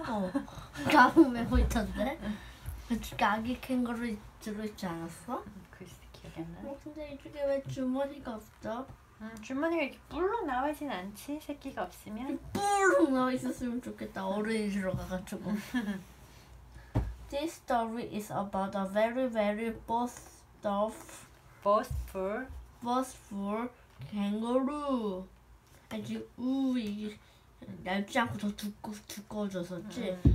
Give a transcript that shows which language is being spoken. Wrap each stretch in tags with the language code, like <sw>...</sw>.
<ko>가방 메고 있던데? 그쪽에 아기 캥거루 들어있지 않았어? 글쎄, 기억이 안 나. 근데 이쪽에 왜 주머니가 없죠? 주머니가 이렇게 뿔룩 나와진 않지? 새끼가 없으면? 뿔룩 나와 있었으면 좋겠다. 어른이로 가가지고.</ko> <en>This story is about a very, very boastful kangaroo.</en> <ko>아직 이게 얇지 않고 더 두꺼워졌었지.</ko>